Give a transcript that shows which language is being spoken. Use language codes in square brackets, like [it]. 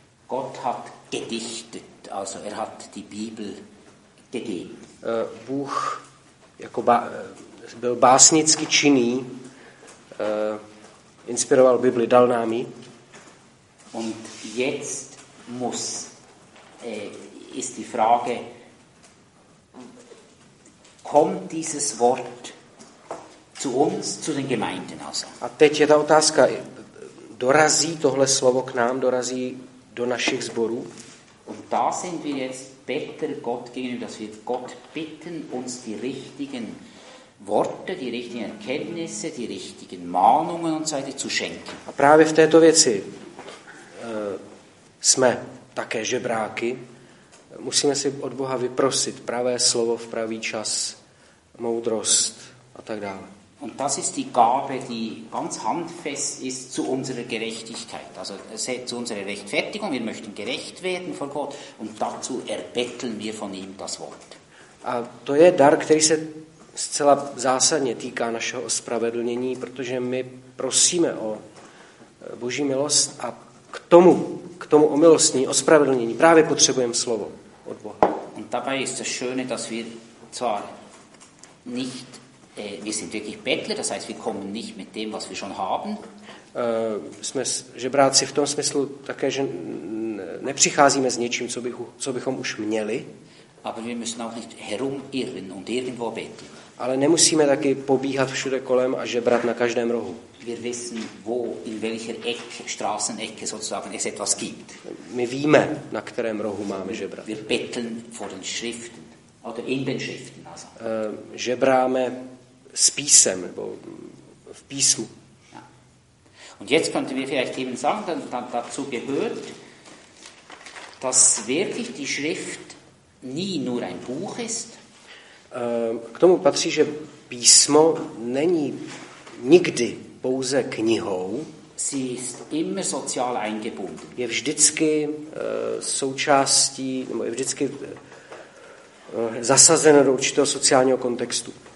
[de] Gott hat gedichtet, also er hat die Bibel gegeben. [cs] Bůh jako byl básnicky činný, inspiroval Bibli, dal nám ji. [de] Und jetzt muss ist die Frage, kommt dieses Wort zu uns, zu den Gemeinden also? [cs] A teď je ta otázka, dorazí tohle slovo k nám, dorazí do našich sborů? [de] Und da sind wir jetzt better Gott gegenüber, dass wir Gott bitten, uns die richtigen Worte, die richtigen Erkenntnisse, die richtigen Mahnungen und so weiter zu schenken. [cs] A právě v této věci jsme také žebráky. Musíme si od Boha vyprosit pravé slovo v pravý čas, moudrost a tak dále. [de] Und das ist die Gabe, die ganz handfest ist zu unserer Gerechtigkeit, also zu unserer Rechtfertigung, wir möchten gerecht werden vor Gott und dazu erbetteln wir von ihm das Wort. [cs] A to je dar, který se zcela zásadně týká našeho ospravedlnění, protože my prosíme o Boží milost a k tomu omilostnění, ospravedlnění právě potřebujeme slovo od Boha. [de] Und dabei ist das Schöne, dass wir zwar nicht wir sind wirklich Bettler, das heißt, wir kommen nicht mit dem, was wir schon haben. [cs] Jsme žebráci v tom smyslu také, že nepřicházíme s něčím, co bychom už měli. [de] Aber wir müssen auch nicht herumirren und irgendwo beten. [cs] Ale nemusíme taky pobíhat všude kolem a žebrat na každém rohu. [de] Wir wissen, wo in welcher Ecke, Straßenecke sozusagen es etwas gibt. [cs] My víme, na kterém rohu máme žebrat. [de] Wir betteln vor den Schriften oder in den Schriften also. [cs] Žebráme s písem nebo v písmu. [de] Ja. Und jetzt könnten wir vielleicht eben sagen, dass dazu gehört, dass wirklich die Schrift nie nur ein Buch ist. [cs] K tomu patří, že písmo není nikdy pouze knihou. [de] Sie ist immer sozial eingebunden. [cs] Je vždycky součástí, nebo je vždycky zasazeno do určitého sociálního kontextu.